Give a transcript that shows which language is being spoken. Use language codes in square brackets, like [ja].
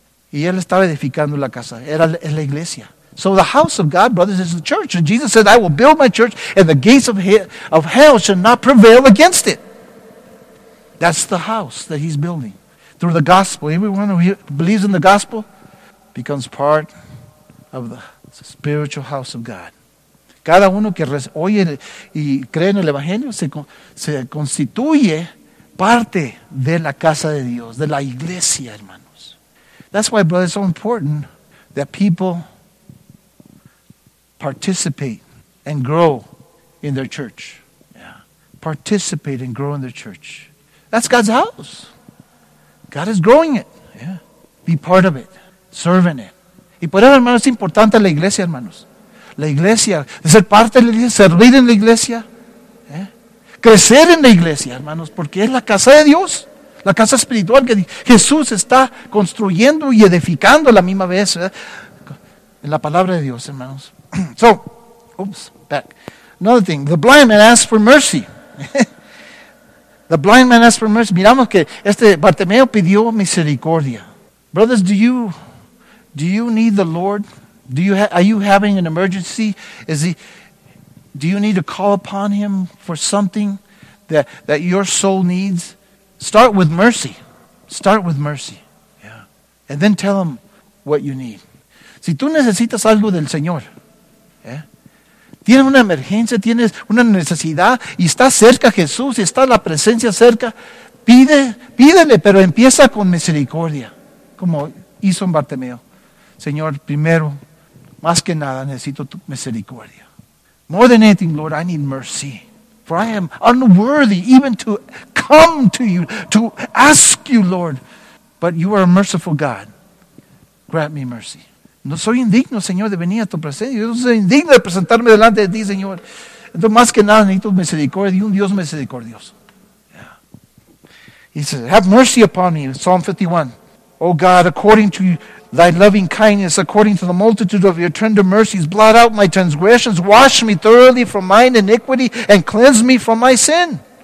[es] Y él estaba edificando la casa, es la iglesia. [en] So the house of God, brothers, is the church. And Jesus said, I will build my church and the gates of hell shall not prevail against it. That's the house that he's building through the gospel. Everyone who believes in the gospel becomes part of the spiritual house of God. [es] Cada uno que oye y cree en el Evangelio se constituye parte de la casa de Dios, de la iglesia, hermanos. [en] That's why, brother, it's so important that people participate and grow in their church. Yeah. Participate and grow in their church. That's God's house. God is growing it. Yeah. Be part of it. Serve in it. [es] Y por eso, hermanos, es importante la iglesia, hermanos. La iglesia, ser parte de la iglesia, servir en la iglesia. Crecer en la iglesia, hermanos, porque es la casa de Dios. La casa espiritual que Jesús está construyendo y edificando a la misma vez. ¿Verdad? En la palabra de Dios, hermanos. [en] So, oops, back. Another thing, the blind man asks for mercy. The blind man asks for mercy. [es] Miramos que este Bartimeo pidió misericordia. [en] Brothers, do you need the Lord? Are you having an emergency? Do you need to call upon him for something that your soul needs? Start with mercy. Start with mercy. Yeah. And then tell him what you need. [es] Si tú necesitas algo del Señor, ¿eh? Tienes una emergencia, tienes una necesidad, y está cerca Jesús, y está la presencia cerca, pídele, pero empieza con misericordia, como hizo en Bartimeo. Señor, primero, más que nada, necesito tu misericordia. [en] More than anything, Lord, I need mercy. For I am unworthy even to come to you, to ask you, Lord. But you are a merciful God. Grant me mercy. [es] No soy indigno, Señor, de venir a tu presencia. Yo no soy indigno de presentarme delante de ti, Señor. Entonces, más que nada, necesito misericordia y un Dios misericordioso. [en] Yeah. He says, have mercy upon me, Psalm 51. Oh God, according to thy loving kindness, according to the multitude of your tender mercies, blot out my transgressions, wash me thoroughly from mine iniquity, and cleanse me from my sin.